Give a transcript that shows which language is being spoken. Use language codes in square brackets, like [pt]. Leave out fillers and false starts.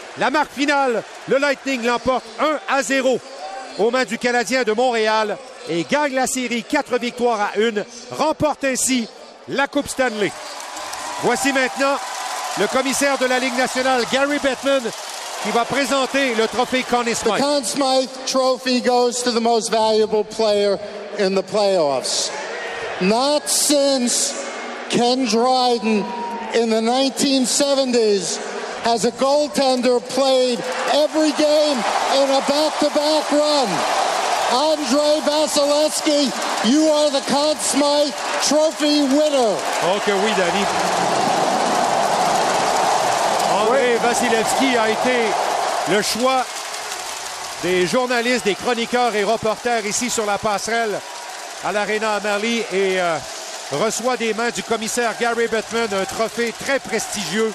[fr] La marque finale, le Lightning l'emporte 1-0 aux mains du Canadien de Montréal et gagne la série 4-1. Remporte ainsi la Coupe Stanley. Voici maintenant le commissaire de la Ligue nationale, Gary Bettman, qui va présenter le trophée Conn Smythe. [en] The Conn Smythe Trophy goes to the most valuable player in the playoffs. Not since Ken Dryden in the 1970s has a goaltender played every game in a back-to-back run. Andre Vasilevskiy, you are the Conn Smythe Trophy winner. [fr] Okay, oui, Danny. Vasilevskiy a été le choix des journalistes, des chroniqueurs et reporters ici sur la passerelle à l'Arena Amalie et reçoit des mains du commissaire Gary Bettman un trophée très prestigieux.